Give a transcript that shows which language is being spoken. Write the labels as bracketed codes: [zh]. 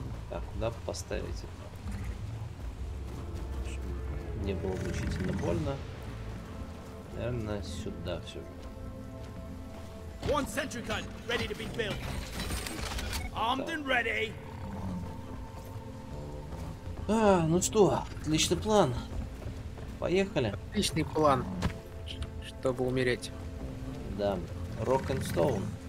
[ru] Так, куда поставить это? Чтобы не было мучительно больно. Наверное, сюда все. [en] One sentry gun ready to be built. Armed and ready. [ru] А, ну что, отличный план. Поехали. Отличный план, чтобы умереть. Да, Rock and Stone.